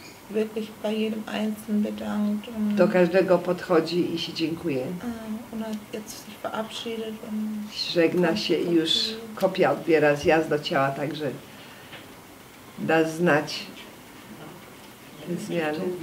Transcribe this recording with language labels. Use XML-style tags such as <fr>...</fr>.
<de>Wirklich bei jedem einzelnen bedankt.</de> <pl>Do każdego podchodzi i się dziękuję. Ona</pl> <de>jetzt sich verabschiedet.</de> <pl>Żegna się i już kopia odbiera zjazd do ciała, także da znać te zmiany.</pl>